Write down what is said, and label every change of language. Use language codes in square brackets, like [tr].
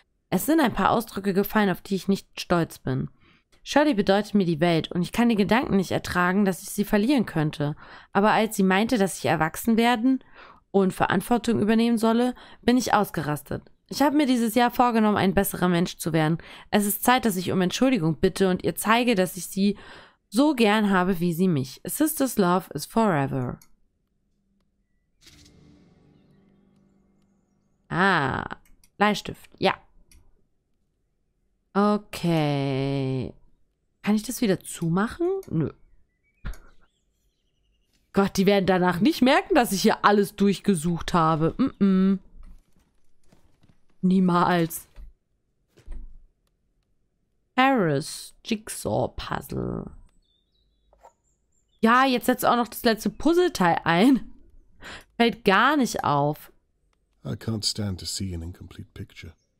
[de] Es sind ein paar Ausdrücke gefallen, auf die ich nicht stolz bin. Shirley bedeutet mir die Welt und ich kann die Gedanken nicht ertragen, dass ich sie verlieren könnte. Aber als sie meinte, dass ich erwachsen werden und Verantwortung übernehmen solle, bin ich ausgerastet. Ich habe mir dieses Jahr vorgenommen, ein besserer Mensch zu werden. Es ist Zeit, dass ich um Entschuldigung bitte und ihr zeige, dass ich sie so gern habe, wie sie mich. [en] A sister's love is forever. [de] Ah, Bleistift. Ja. Okay. Kann ich das wieder zumachen? Nö. Gott, die werden danach nicht merken, dass ich hier alles durchgesucht habe. Niemals. Paris Jigsaw Puzzle. Ja, jetzt setzt auch noch das letzte Puzzleteil ein. Fällt gar nicht auf. [en] I can't stand to see an incomplete picture.